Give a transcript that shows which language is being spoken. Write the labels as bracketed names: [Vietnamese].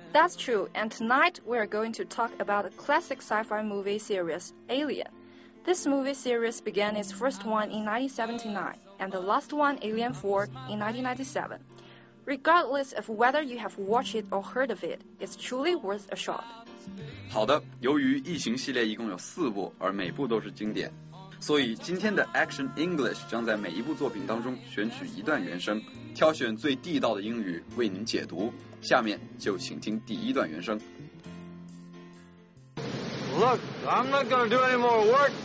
[English] That's true, and tonight we are going to talk about a classic sci-fi movie series, Alien. This movie series began its first one in 1979, and the last one, Alien 4, in 1997. Regardless of whether you have watched it or heard of it, it's truly worth a shot. [Chinese] 好的，由于《异形》系列一共有四部，而每部都是经典，所以今天的 Action English 将在每一部作品当中选取一段原声，挑选最地道的英语为您解读。下面就请听第一段原声。 [English] Look, I'm not going to do any more work.